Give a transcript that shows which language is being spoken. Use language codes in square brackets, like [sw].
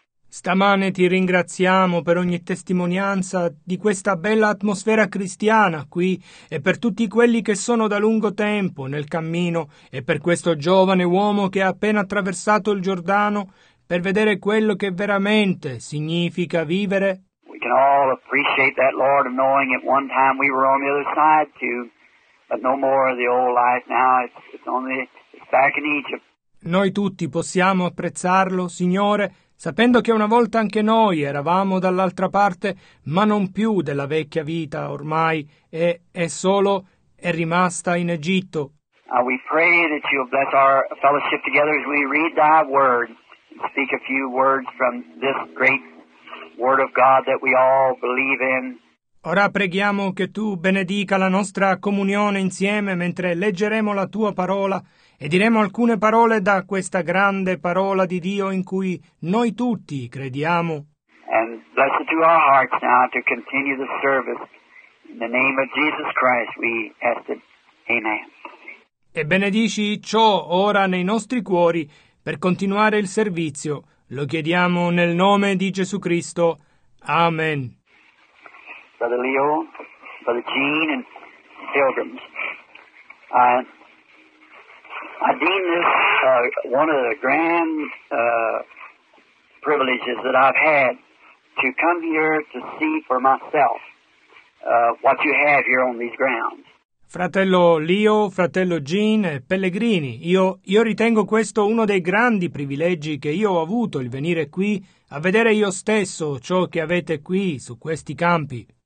[it] Stamane ti ringraziamo per ogni testimonianza di questa bella atmosfera cristiana qui e per tutti quelli che sono da lungo tempo nel cammino e per questo giovane uomo che ha appena attraversato il Giordano per vedere quello che veramente significa vivere. [en] We can all appreciate that, Lord, of knowing at one time we were on the other side too, but no more of the old life now, it's back in Egypt. [it] Noi tutti possiamo apprezzarlo, Signore, sapendo che una volta anche noi eravamo dall'altra parte, ma non più della vecchia vita ormai, e è rimasta in Egitto. [en] We pray that you'll bless our fellowship together as we read thy word, and speak a few words from this great word of God that we all believe in. [it] Ora preghiamo che tu benedica la nostra comunione insieme mentre leggeremo la tua parola e diremo alcune parole da questa grande parola di Dio in cui noi tutti crediamo. [en] And bless it to our hearts now to continue the service. In the name of Jesus Christ we ask it. Amen. [it] E benedici ciò ora nei nostri cuori per continuare il servizio. Lo chiediamo nel nome di Gesù Cristo. Amen. [en] Brother Leo, Brother Gene, and pilgrims. I deem this one of the grand privileges that I've had to come here to see for myself what you have here on these grounds. [it] Fratello Leo, fratello Gene, pellegrini, io ritengo questo uno dei grandi privilegi che io ho avuto il venire qui a vedere io stesso ciò che avete qui su questi campi.